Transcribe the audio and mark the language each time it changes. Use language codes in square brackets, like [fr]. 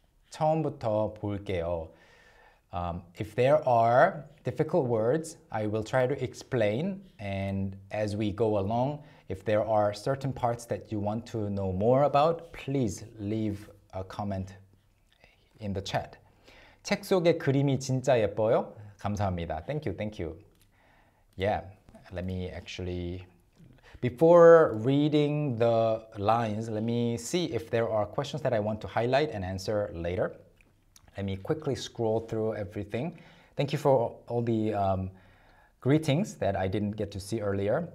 [ko] 처음부터 볼게요. [en] If there are difficult words, I will try to explain. And as we go along, if there are certain parts that you want to know more about, please leave a comment in the chat. [ko] 책 속의 그림이 진짜 예뻐요. 감사합니다. [en] Thank you, thank you. Yeah, let me actually, before reading the lines, let me see if there are questions that I want to highlight and answer later. Let me quickly scroll through everything. Thank you for all the greetings that I didn't get to see earlier.